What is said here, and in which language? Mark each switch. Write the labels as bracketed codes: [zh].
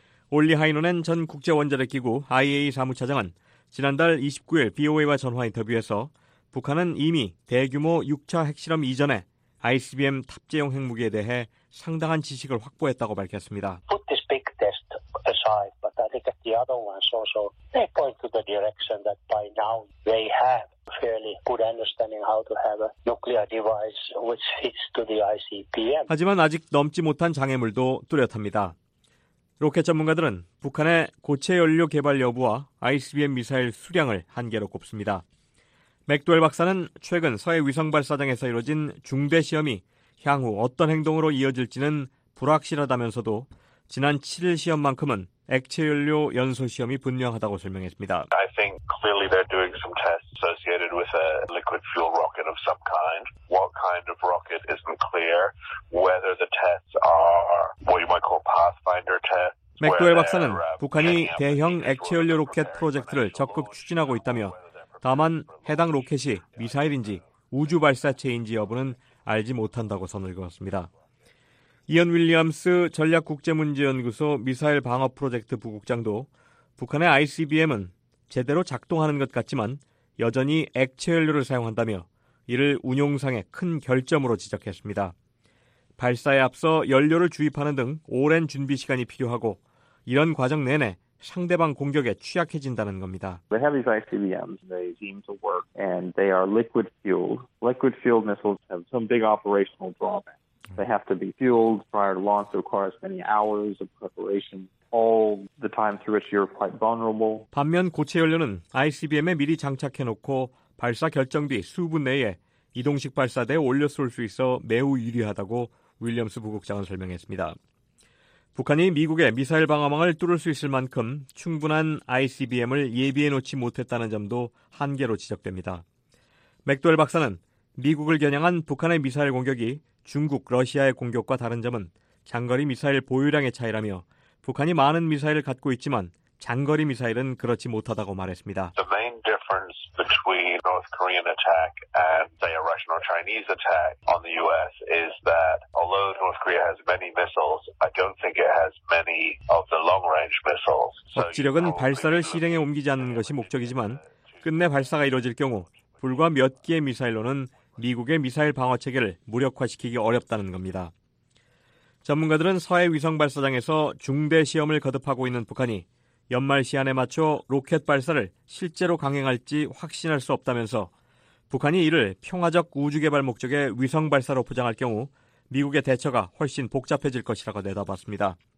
[ko] 올리 하이노넨 전 국제원자력기구 IAEA 사무차장은 지난달 29일 BOA와 전화 인터뷰에서 북한은 이미 대규모 6차 핵실험 이전에 ICBM 탑재용 핵무기에 대해 상당한 지식을 확보했다고 밝혔습니다. [en] Put this big test aside, but I think that the other ones also they point to the direction that by now they have fairly good understanding how to have a nuclear device which fits to the ICBM. [ko] 하지만 아직 넘지 못한 장애물도 뚜렷합니다. 로켓 전문가들은 북한의 고체 연료 개발 여부와 ICBM 미사일 수량을 한계로 꼽습니다. 맥도웰 박사는 최근 서해 위성 발사장에서 이뤄진 중대 시험이 향후 어떤 행동으로 이어질지는 불확실하다면서도 지난 7일 시험만큼은 액체 연료 연소 시험이 분명하다고 설명했습니다. [en] I think clearly they're doing some tests associated with a liquid fuel rocket of some kind. What kind of rocket isn't clear. Whether the tests are what you might call pathfinder tests. [ko] 맥도웰 박사는 북한이 대형 액체 연료 로켓 프로젝트를 적극 추진하고 있다며 다만 해당 로켓이 미사일인지 우주 발사체인지 여부는 알지 못한다고 선을 그었습니다. 이언 윌리엄스 전략국제문제연구소 미사일 방어 프로젝트 부국장도 북한의 ICBM은 제대로 작동하는 것 같지만 여전히 액체 연료를 사용한다며 이를 운용상의 큰 결점으로 지적했습니다. 발사에 앞서 연료를 주입하는 등 오랜 준비 시간이 필요하고 이런 과정 내내 상대방 공격에 취약해진다는 겁니다. [en] The heavy ICBMs, they seem to work, and they are liquid fueled. Liquid fueled missiles have some big operational drawbacks. They have to be fueled prior to launch. It requires many hours of preparation. All the time through which you're quite vulnerable. [ko] 반면 고체 연료는 ICBM에 미리 장착해놓고 발사 결정 뒤 수분 내에 이동식 발사대에 올려 쏠 수 있어 매우 유리하다고 윌리엄스 부국장은 설명했습니다. 북한이 미국의 미사일 방어망을 뚫을 수 있을 만큼 충분한 ICBM을 예비해놓지 못했다는 점도 한계로 지적됩니다. 맥도웰 박사는 미국을 겨냥한 북한의 미사일 공격이 중국, 러시아의 공격과 다른 점은 장거리 미사일 보유량의 차이라며 북한이 많은 미사일을 갖고 있지만 장거리 미사일은 그렇지 못하다고 말했습니다. [en] The main difference between North Korean attack and say a Russian or Chinese attack on the U.S. is that although North Korea has many missiles, I don't think it has many of the long-range missiles. [ko] 억지력은 발사를 실행에 옮기지 않는 것이 목적이지만 끝내 발사가 이루어질 경우 불과 몇 개의 미사일로는 미국의 미사일 방어 체계를 무력화시키기 어렵다는 겁니다. 전문가들은 서해 위성 발사장에서 중대 시험을 거듭하고 있는 북한이 연말 시한에 맞춰 로켓 발사를 실제로 강행할지 확신할 수 없다면서 북한이 이를 평화적 우주개발 목적의 위성 발사로 포장할 경우 미국의 대처가 훨씬 복잡해질 것이라고 내다봤습니다.